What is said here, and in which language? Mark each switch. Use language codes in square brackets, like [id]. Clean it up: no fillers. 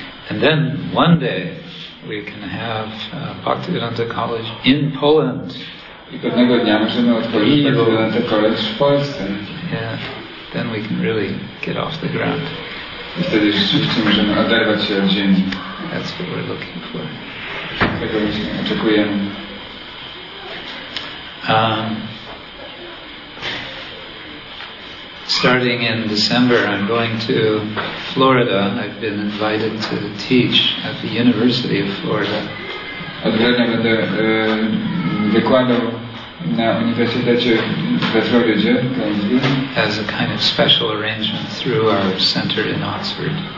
[en] And then, one day, we can have Bhaktivedanta College in Poland. [pl] I pewnego dnia możemy otworzyć Bhaktivedanta College w Polsce. [en] Yeah, then we can really get off the ground. [pl] I wtedy rzeczywiście możemy oderwać się od ziemi. [en] That's what we're looking for. [pl] Tego oczekujemy. [en] Starting in December, I'm going to Florida. I've been invited to teach at the University of Florida. [pl] Od grudnia będę wykładał na Uniwersytecie we Florydzie. [en] As a kind of special arrangement through our center in Oxford.